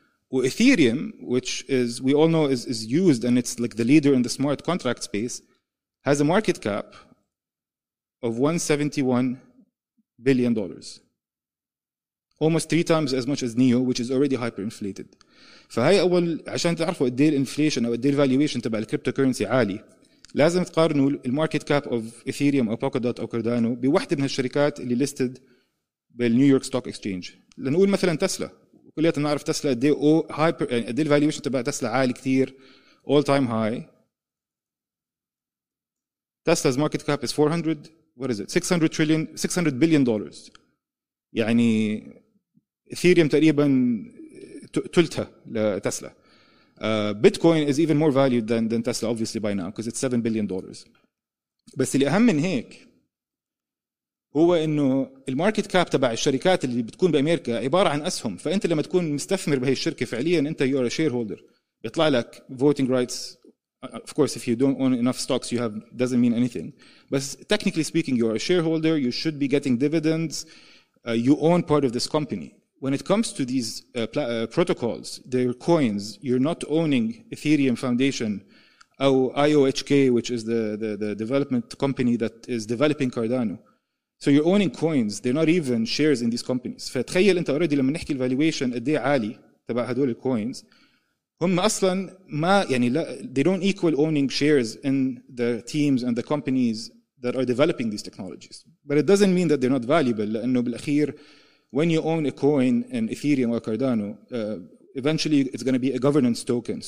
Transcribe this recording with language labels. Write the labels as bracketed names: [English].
[English] وإثيريوم, which is we all know is used and it's like the leader in the smart contract space, has a market cap of $171 billion. Almost three times as much as NIO, which is already hyperinflated. [Arabic] فهي أول عشان تعرفوا قدي الانفليشن أو قدي الفاليويشن تبع الكريبتوكرنسي عالي, لازم تقارنوا الماركت كاب أوف إثيريوم أو بوكادوت أو كردانو بوحدة من هالشركات اللي لستد بالنيويورك ستوك اكسشينج. لنقول مثلا تسلا, كلياتنا نعرف تسلا قدي أو هايبر, يعني قدي الفاليويشن تبع تسلا عالي كثير, أول تايم هاي. [English] Tesla's market cap is 600 billion dollars. [Arabic] يعني إثيريوم تقريبا تلتها لتسلا. [English] Bitcoin is even more valued than Tesla obviously by now because it's $7 billion. [Arabic] بس اللي أهم من هيك هو إنه الماركت كاب تبع الشركات اللي بتكون بأمريكا عبارة عن أسهم. فأنت لما تكون مستثمر بهي الشركة فعليا أنت [English] you are a shareholder. [Arabic] بيطلع لك voting rights. [English] Of course, if you don't own enough stocks, you have doesn't mean anything. But technically speaking, you are a shareholder. You should be getting dividends. You own part of this company. When it comes to these protocols, their coins, you're not owning Ethereum Foundation or IOHK, which is the development company that is developing Cardano. So you're owning coins. They're not even shares in these companies. [Arabic] فتخيل انت already لما نحكي الفالويشن قد ايه عالي تبع هدول الكوينز. هم أصلاً ما يعني لا, [English] they don't equal owning shares in the teams and the companies that are developing these technologies. But it doesn't mean that they're not valuable. [Arabic] لأنه بالأخير, [English] when you own a coin in Ethereum or Cardano, eventually it's going to be a governance token.